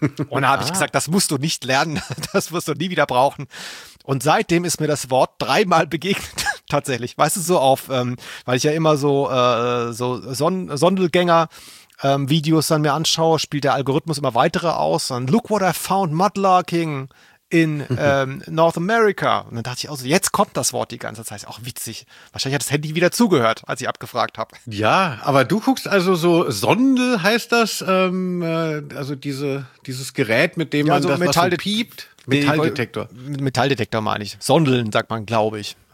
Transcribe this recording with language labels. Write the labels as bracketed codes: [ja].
[de] Und da habe ich gesagt, das musst du nicht lernen, das wirst du nie wieder brauchen. Und seitdem ist mir das Wort dreimal begegnet. Tatsächlich, weißt du, so auf, weil ich ja immer so, so Sondelgänger Videos dann mir anschaue, spielt der Algorithmus immer weitere aus. [en] Und look what I found, mudlarking in North America. [de] Und dann dachte ich auch so, jetzt kommt das Wort die ganze Zeit. Auch witzig. Wahrscheinlich hat das Handy wieder zugehört, als ich abgefragt habe. Ja, aber du guckst also so, Sonde heißt das, also dieses Gerät, mit dem ja, man so das Metall, was so piept. Metalldetektor. Metalldetektor meine ich. Sondeln, sagt man, glaube ich.